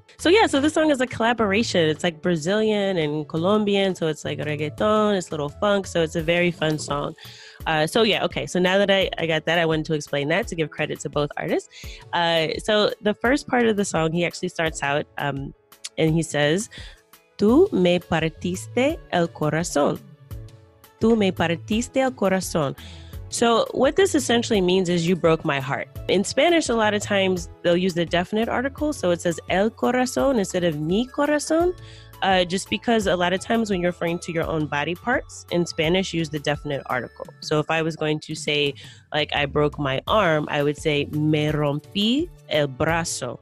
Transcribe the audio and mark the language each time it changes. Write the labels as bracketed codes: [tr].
[en] So yeah, so this song is a collaboration. It's like Brazilian and Colombian, so it's like reggaeton, it's a little funk, so it's a very fun song. So yeah, okay, so now that I got that, I wanted to explain that to give credit to both artists. So the first part of the song, he actually starts out and he says, [es] "Tú me partiste el corazón. Tú me partiste el corazón." [en] So what this essentially means is you broke my heart. In Spanish, a lot of times they'll use the definite article. So it says [es] el corazón [en] instead of [es] mi corazón. [en] Just because a lot of times when you're referring to your own body parts in Spanish, use the definite article. So if I was going to say, like, I broke my arm, I would say [es] me rompí el brazo.